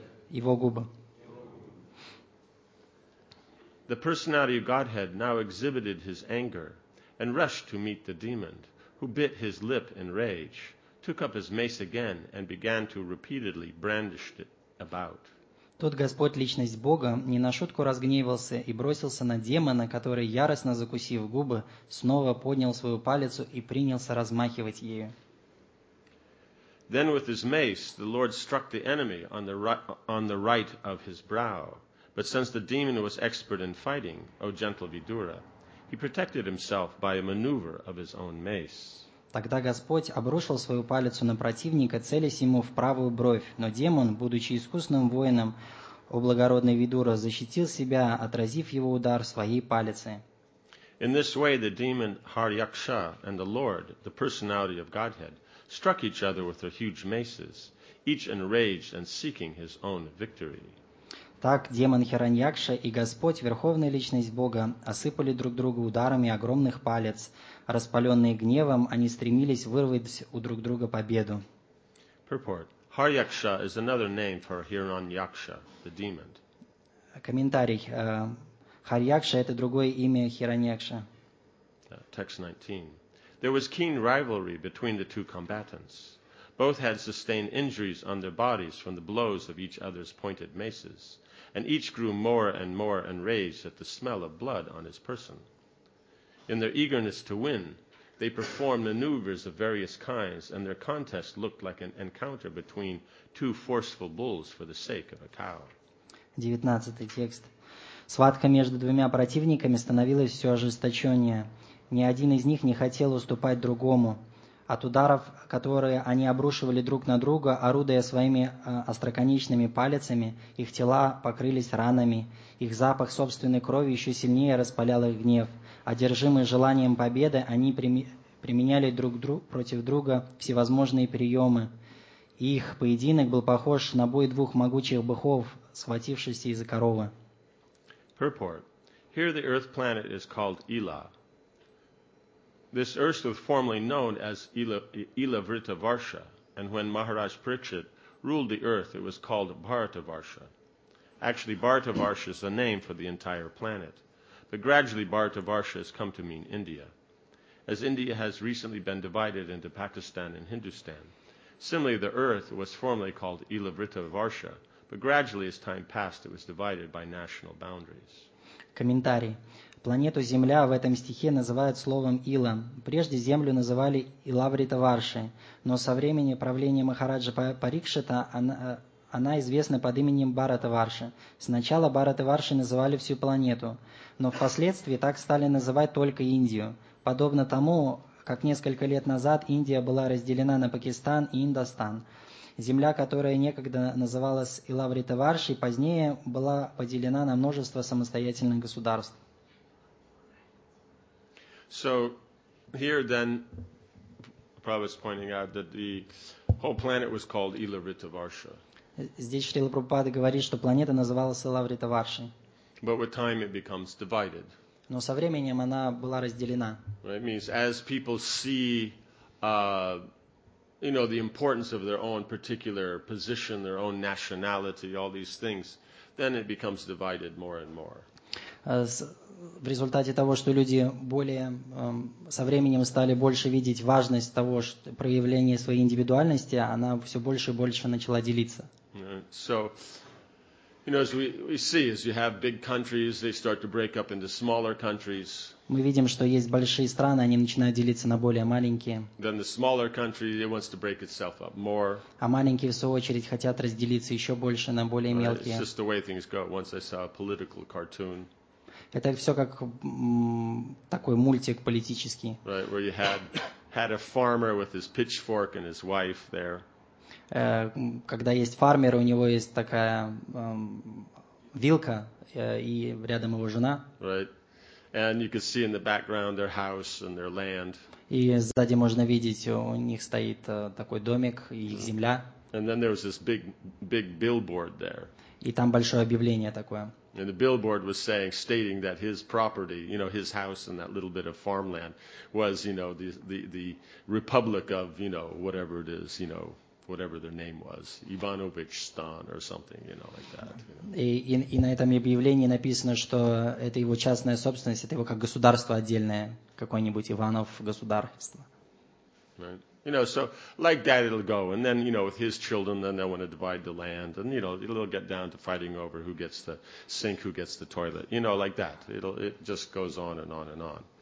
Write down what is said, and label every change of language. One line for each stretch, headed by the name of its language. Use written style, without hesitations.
Russian: Его губы.
English: The personality of Godhead now exhibited his anger and rushed to meet the demon, who bit his lip in rage, took up his mace again and began to repeatedly brandish it about.
Russian: Тот Господь, личность Бога, не на шутку разгневался и бросился на демона, который, яростно закусив губы, снова поднял свою палицу и принялся размахивать ею.
English: Then with his mace, the Lord struck the enemy on the right of his brow. But since the demon was expert in fighting, O gentle Vidura, he protected himself by a maneuver of his own mace.
Russian: Тогда Господь обрушил свою палицу на противника, целясь ему в правую бровь. Но демон, будучи искусным воином, о благородный Видура, защитил себя, отразив его удар своей палицей.
English: In this way, the demon Haryaksha and the Lord, the personality of Godhead, struck each other with their huge maces, each enraged and seeking his own victory.
Russian: Так демон Хираньякша и Господь, верховная личность Бога, осыпали друг друга ударами огромных палец. Распаленные гневом, они стремились вырвать у друг друга победу.
English: Purport. Haryaksha is another name for Hiranyaksha, the demon.
Russian: Комментарий. Харьякша – это другое имя Хираньякша.
English: Text 19. There was keen rivalry between the two combatants. Both had sustained injuries on their bodies from the blows of each other's pointed maces, and each grew more and more enraged at the smell of blood on his person. In their eagerness to win, they performed maneuvers of various kinds, and their contest looked like an encounter between two forceful bulls for the sake of a cow.
Russian: 19 текст. Схватка между двумя противниками становилась все ожесточеннее. Ни один из них не хотел уступать другому. От ударов, которые они обрушивали друг на друга, орудуя своими остроконечными палецами, их тела покрылись ранами. Их запах собственной крови еще сильнее распалял их гнев. Одержимые желанием победы, они применяли друг против друга всевозможные приемы. Их поединок был похож на бой двух могучих быков, схватившихся из-за коровы.
English: Purport. Here the earth planet is called Ila. This earth was formerly known as Ilavritavarsha, and when Maharaj Parikshit ruled the earth, it was called Bharatavarsha. Actually, Bharatavarsha is the name for the entire planet, but gradually Bharatavarsha has come to mean India. As India has recently been divided into Pakistan and Hindustan, similarly, the earth was formerly called Ilavritavarsha, but gradually, as time passed, it was divided by national boundaries.
Russian: Комментарий. Планету Земля в этом стихе называют словом Ила. Прежде Землю называли Илавритаварши, но со времени правления Махараджа Парикшита она известна под именем Бхаратаварши. Сначала Бхаратаварши называли всю планету, но впоследствии так стали называть только Индию. Подобно тому, как несколько лет назад Индия была разделена на Пакистан и Индостан. Земля, которая некогда называлась Илавритаварши, позднее была поделена на множество самостоятельных государств.
English: So here then, Prabhupada is pointing out that the whole planet was called Ilavritavarsha.
Russian: Здесь Шрила Прабхупада говорит, что планета называлась Ilavritavarsha.
English: But with time it becomes divided.
Russian: Но со временем она была разделена.
English: It means as people see, you know, the importance of their own particular position, their own nationality, all these things, then it becomes divided more and more.
Russian: В результате того, что люди более со временем стали больше видеть важность того, что проявление своей индивидуальности, она все больше и больше начала делиться.
English: So, you know, as we see, as you have big countries, they start to break up into smaller countries.
Russian: Мы видим, что есть большие страны, они начинают делиться на более маленькие.
English: Then the smaller country, it wants to break itself up more.
Russian: А маленькие, в свою очередь, хотят разделиться еще больше на более мелкие.
English: It's just the way things go. Once I saw a political cartoon.
Russian: Это все как такой мультик политический.
English: Right, where you had a farmer with his pitchfork and his wife there.
Russian: когда есть фармер, у него есть такая вилка, и рядом его жена.
English: Right. And you can see in the background their house and their land.
Russian: И сзади можно видеть, у них стоит такой домик и их земля.
English: And then there was this big billboard there.
Russian: И там большое объявление такое.
English: And the billboard was saying, stating that his property, you know, his house and that little bit of farmland was, you know, the Republic of, you know, whatever it is, you know, whatever their name was, Ivanovich Stan or something, you know, like that. You know.
Russian: И на этом объявлении написано, что это его частная собственность, это его как государство отдельное, какой-нибудь Иванов государство.
English: Right. You know, so like that it'll go. And then, you know, with his children, then they'll want to divide the land. And, you know, it'll get down to fighting over who gets the sink, who gets the toilet. You know, like that. It just goes on and on and on.